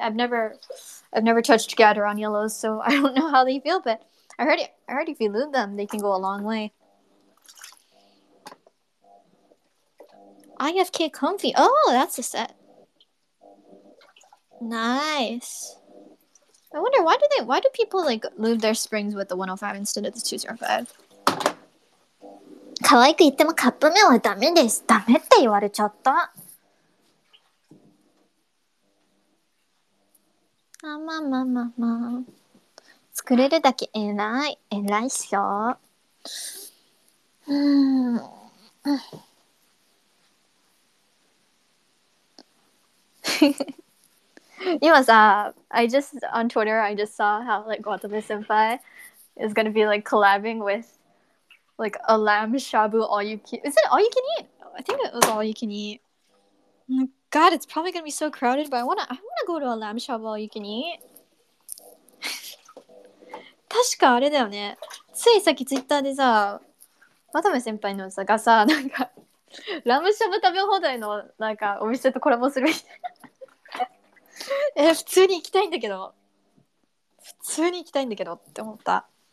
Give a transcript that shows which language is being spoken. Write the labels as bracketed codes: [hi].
[en] I've never touched Gateron yellows, so I don't know how they feel, but I heard if you lube them, they can go a long way. IFK comfy. Oh, that's a set. Nice. I wonder why do people like lube their springs with the 105 instead of the 205? [ja] かわいく言ってもカップ麺はダメです。ダメって言われちゃった。あ、まあまあまあまあ。作れるだけ偉い。偉いっしょ。うん。今さ、 [en] I just, on Twitter, I just saw how, like, Watabe Senpai is gonna be, like, collabing withLike a lamb shabu, all you can eat. Is it all you can eat? I think it was all you can eat. God, it's probably gonna be so crowded, but I wanna go to a lamb shabu all you can eat. [ja] 確かあれだよね。ついさっきツイッターでさ、渡部先輩のさがさ、なんか、ラムシャブ食べ放題のなんかお店とコラボするみたいな。え、普通に行きたいんだけど。普通に行きたいんだけどって思った。